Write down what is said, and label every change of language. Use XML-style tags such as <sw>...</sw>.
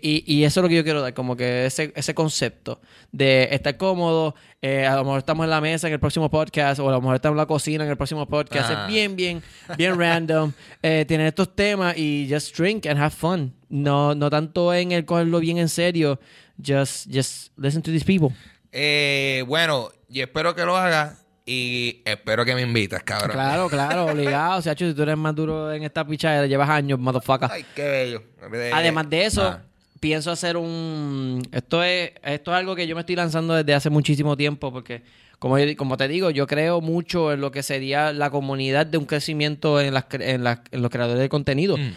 <es>Y eso es lo que yo quiero dar, como que ese concepto de estar cómodo, a lo mejor estamos en la mesa en el próximo podcast, o a lo mejor estamos en la cocina en el próximo podcast. Es bien random. Tener estos temas y</es> <en>just drink and have fun.</en> <es>No tanto en el cogerlo bien en serio.</es> <en>Just listen to these people.</en> <es>Bueno, y espero que lo haga. Y espero que me invites, cabrón. Claro, claro, obligado. O sea, si tú eres más duro en esta pichada, llevas años, motherfucker. Ay, qué bello. Además de eso, pienso hacer un... Esto es algo que yo me estoy lanzando desde hace muchísimo tiempo, porque, como te digo, yo creo mucho en lo que sería la comunidad de un crecimiento en los creadores de contenido.</es>